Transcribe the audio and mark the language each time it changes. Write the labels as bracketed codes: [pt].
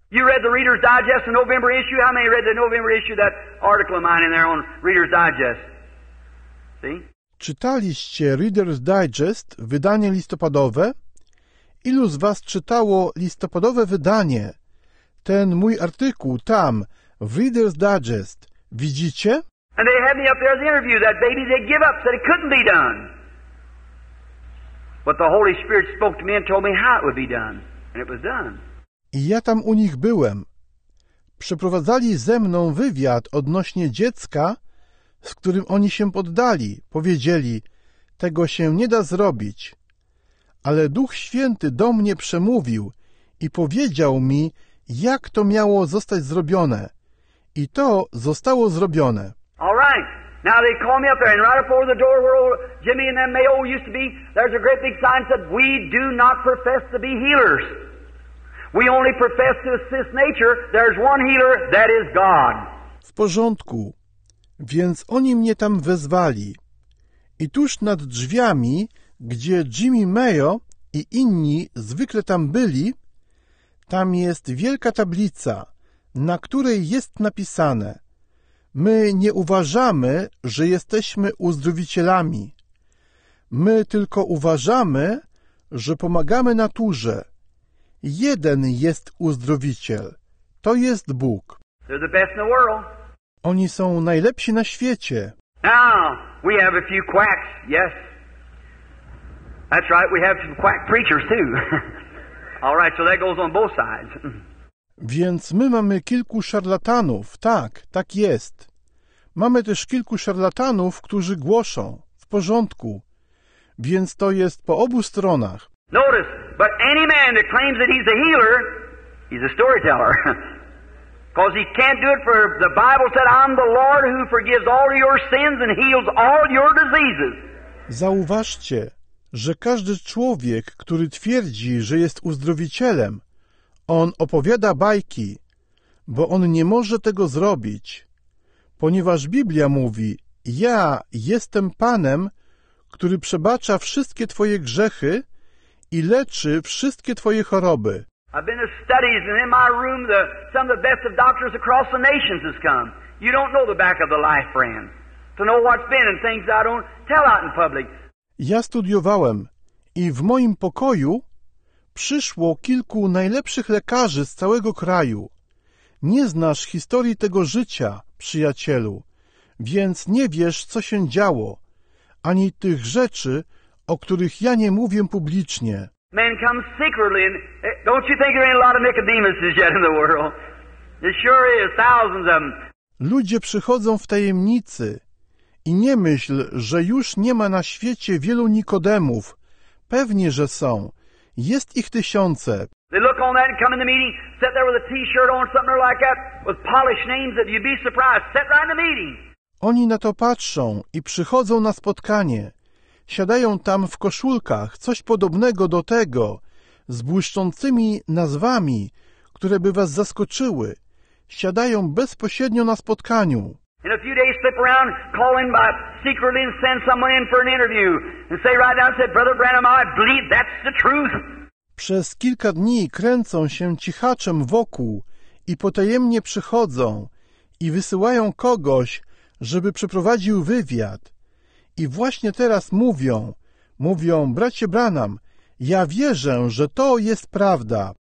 [en] You read the Reader's Digest, the November issue? How many read the November issue, that article of mine in there on Reader's Digest? See? [pl] Czytaliście Reader's Digest, wydanie listopadowe? Ilu z was czytało listopadowe wydanie? Ten mój artykuł tam, w Reader's Digest, widzicie? [en] And they had me up there to interview that baby, they give up, said it couldn't be done. But the Holy Spirit spoke to me and told me how it would be done. And it was done. [pl] I ja tam u nich byłem. Przeprowadzali ze mną wywiad odnośnie dziecka, z którym oni się poddali. Powiedzieli, tego się nie da zrobić. Ale Duch Święty do mnie przemówił i powiedział mi, jak to miało zostać zrobione. I to zostało zrobione. [en] All right. Now they call me up there, and right up over the door where Jimmy and them Mayo used to be, there's a great big sign that we do not profess to be healers. We only profess to assist nature. There's one healer, that is God. [pl] W porządku. Więc oni mnie tam wezwali. I tuż nad drzwiami, gdzie Jimmy Mayo i inni zwykle tam byli, tam jest wielka tablica, na której jest napisane: my nie uważamy, że jesteśmy uzdrowicielami. My tylko uważamy, że pomagamy naturze. Jeden jest uzdrowiciel. To jest Bóg. [en] They're the best in the world. [pl] Oni są najlepsi na świecie. [en] Now, we have a few quacks, yes. That's right, we have some quack preachers too. All right, so that goes on both sides. [pl] Więc my mamy kilku szarlatanów, tak, tak jest. Mamy też kilku szarlatanów, którzy głoszą. W porządku. Więc to jest po obu stronach. [en] Notice, but any man that claims that he's a healer, he's a storyteller. Because he can't do it, for the Bible said, I'm the Lord who forgives all your sins and heals all your diseases. [pl] Zauważcie, że każdy człowiek, który twierdzi, że jest uzdrowicielem, on opowiada bajki, bo on nie może tego zrobić. Ponieważ Biblia mówi, ja jestem Panem, który przebacza wszystkie twoje grzechy i leczy wszystkie twoje choroby. [en] I've been to studies, and in my room, some of the best of doctors across the nations has come. You don't know the back of the life, friend. To know what's been and things I don't tell out in public. [pl] Ja studiowałem i w moim pokoju przyszło kilku najlepszych lekarzy z całego kraju. Nie znasz historii tego życia, przyjacielu, więc nie wiesz, co się działo, ani tych rzeczy, o których ja nie mówię publicznie. [en] Man comes secretly, and don't you think there ain't a lot of Nicodemuses yet in the world? It sure is, thousands of them. [pl] Ludzie przychodzą w tajemnicy i nie myśl, że już nie ma na świecie wielu Nikodemów. Pewnie, że są. Jest ich tysiące. [en] They look on that and come in the meeting, sit there with a t-shirt on, something like that, with polished names, that you'd be surprised, sit right in the meeting. [pl] Oni na to patrzą i przychodzą na spotkanie. Siadają tam w koszulkach, coś podobnego do tego, z błyszczącymi nazwami, które by was zaskoczyły. Siadają bezpośrednio na spotkaniu. [en] In a few days slip around, call in by secretly and send someone in for an interview. And say right now, said, Brother Branham, I believe that's the truth. [pl] Przez kilka dni kręcą się cichaczem wokół i potajemnie przychodzą i wysyłają kogoś, żeby przeprowadził wywiad. I właśnie teraz mówią, bracie Branham, ja wierzę, że to jest prawda.